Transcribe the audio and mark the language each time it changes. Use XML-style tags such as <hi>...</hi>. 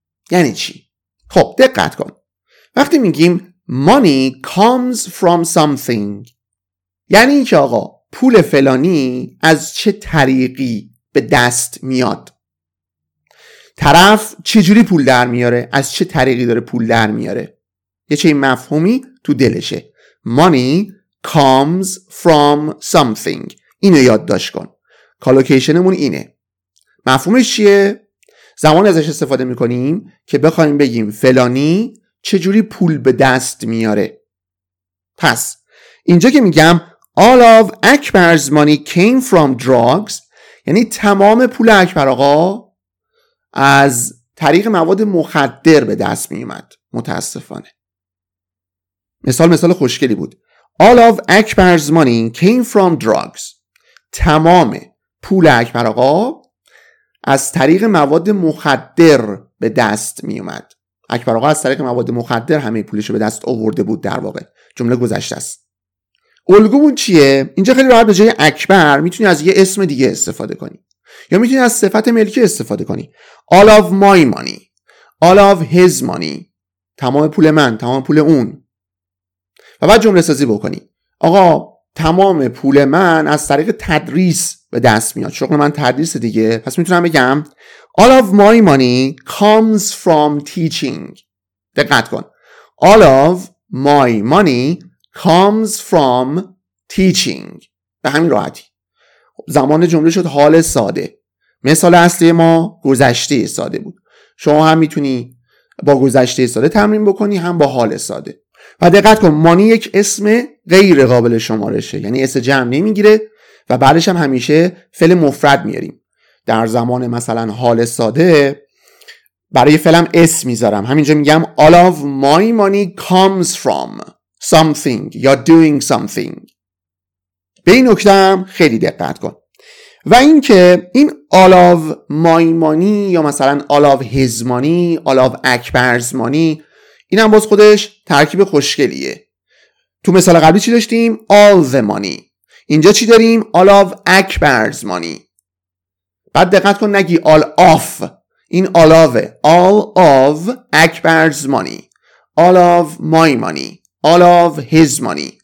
<fa>یعنی چی؟ خب دقت کن. وقتی میگیم</fa> <en>money comes from something،</en> <fa>یعنی اینکه آقا پول فلانی از چه طریقی به دست میاد. طرف چجوری پول در میاره؟ از چه طریقی داره پول در میاره؟ یه چه این مفهومی تو دلشه.</fa> <en>Money comes from something.</en> <fa>اینو یادداشت کن. کالوکیشنمون اینه. مفهومش چیه؟ زمان ازش استفاده میکنیم که بخوایم بگیم فلانی چجوری پول به دست میاره. پس اینجا که میگم</fa> <en>All of Akbar's money came from drugs،</en> <fa>یعنی تمام پول اکبر آقا از طریق مواد مخدر به دست می اومد. متاسفانه. مثال خوشگلی بود.</fa> <en>All of Akbar's money came from drugs.</en> <fa>تمام پول اکبر آقا از طریق مواد مخدر به دست می اومد. اکبر آقا از طریق مواد مخدر همه پولشو به دست آورده بود در واقع. جمله گذشته است. الگومون چیه؟ اینجا خیلی راحت به جای اکبر میتونی از یه اسم دیگه استفاده کنی، یا میتونی از صفت ملکی استفاده کنی.</fa> <en>All of my money، All of his money،</en> <fa>تمام پول من، تمام پول اون. و بعد جمله سازی بکنی. آقا تمام پول من از طریق تدریس به دست میاد. شغل من تدریس دیگه. پس میتونم بگم</fa> <en>All of my money comes from teaching.</en> <fa>دقت کن.</fa> <en>All of my money comes from teaching.</en> <fa>به همین راحتی. زمان جمله شد حال ساده. مثال اصلی ما گذشته ساده بود. شما هم میتونی با گذشته ساده تمرین بکنی، هم با حال ساده. و دقت کن مانی یک اسم غیر قابل شمارشه، یعنی اسم جمع نمیگیره و بعدش هم همیشه فعل مفرد میاریم. در زمان مثلا حال ساده برای فعلم اسم میذارم. همینجا میگم</fa> <en>All of my money comes from something یا doing something.</en> <fa>به این نکته هم خیلی دقت کن.</fa> <en>و اینکه این All of my money یا مثلا All of his money، All of Akbar's money،</en> <fa>این هم باز خودش ترکیب خوشگلیه. تو مثال قبلی چی داشتیم؟</fa> <en>All the money.</en> <fa>اینجا چی داریم؟</fa> <en>All of Akbar's money.</en> <fa>بعد دقت کن نگی</fa> <en>All of، این All of، All of Akbar's money، All of my money، All of his money.</en>